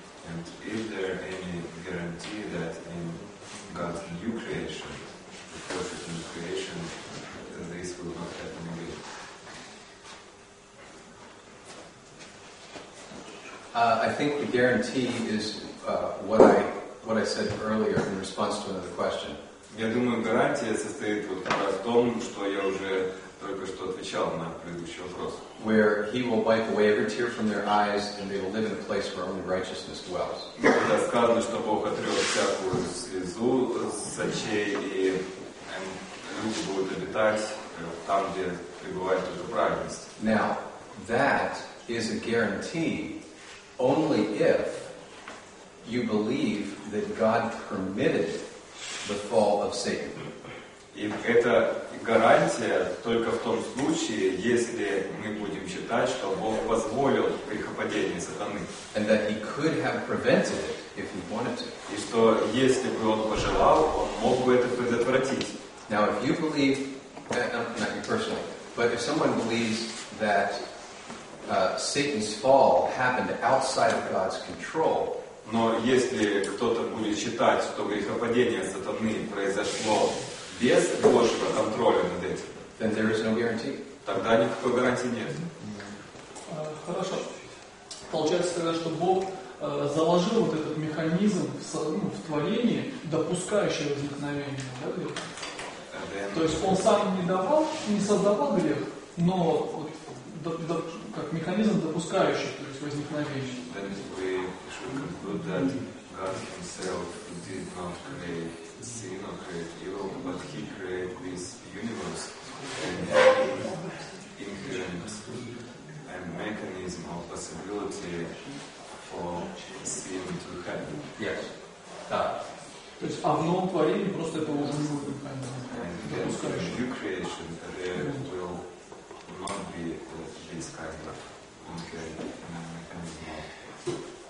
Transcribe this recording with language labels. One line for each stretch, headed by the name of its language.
English: And is there any guarantee that in God's new creation, the perfect new creation, this will not happen again? I think the guarantee is what I said earlier in response to another question.
Russian: Я думаю, гарантия состоит вот как раз в том, что я уже только что отвечал на предыдущий вопрос.
English: Where he will wipe away every tear from their eyes, and they will live in a place where only righteousness dwells.
Russian: Когда сказано, что Бог отрет всякую слезу с очей, и люди будут обитать там, где пребывает только праведность.
English: Now, that is a guarantee only if you believe that God permitted the fall of Satan.
Russian: И это гарантия только в том случае, если мы будем считать, что Бог позволил грехопадение сатаны.
English: And that he could have prevented it if he wanted to.
Russian: И что если бы он пожелал, он мог бы это предотвратить.
English: Now, if you believe, not you personally, but if someone believes that Satan's fall happened outside of God's control.
Russian: Но если кто-то будет считать, что грехопадение сатаны произошло без Божьего контроля над этим,
English: then there is no guarantee.
Russian: Тогда никакой гарантии нет. Хорошо. Получается тогда, что Бог заложил вот этот механизм в творении, допускающий возникновение, да, греха. То есть Он сам не давал, не создавал грех, но вот, как механизм допускающий, то есть возникновение.
English: Conclude that God Himself did not create sin or create evil, but He created this universe and inherent a mechanism of possibility for sin to happen. Yes.
Russian: То есть а в новом творении просто это уже не будет.
English: And yes, in new creation there will not be this kind of inherent mechanism.